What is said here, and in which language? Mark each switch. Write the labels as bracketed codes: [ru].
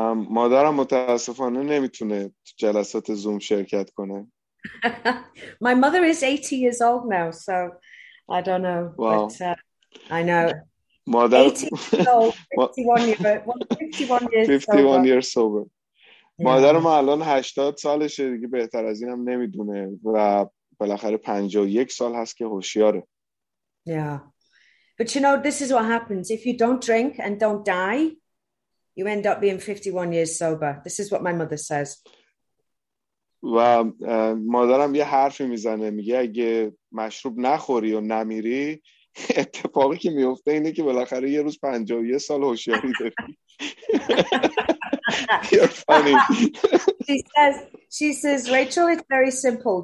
[fa] مادرم متاسفانه نمیتونه تو جلسات زوم شرکت کنه. [en] my mother is 80 years old now, so I don't know, wow. but I know [fa] مادر [en] 80 years old, 51 years 51 sober. years sober. مادر Yeah. [fa] ما الان 80 سالشه دیگه، بهتر از اینم نمیدونه و بالاخره 51 سال هست که هوشیاره. [en] Yeah. But you know, this is what happens. If you don't drink and don't die, you end up being 51 years sober. This is what my mother says. [fa] و مادرم یه حرفی میزنه، میگه اگه مشروب نخوری و نمیری، اتفاقی که میفته اینه که بالاخره یه روز 51 سال هوشیاری داری. [en] You're funny. She says, Rachel, it's very simple.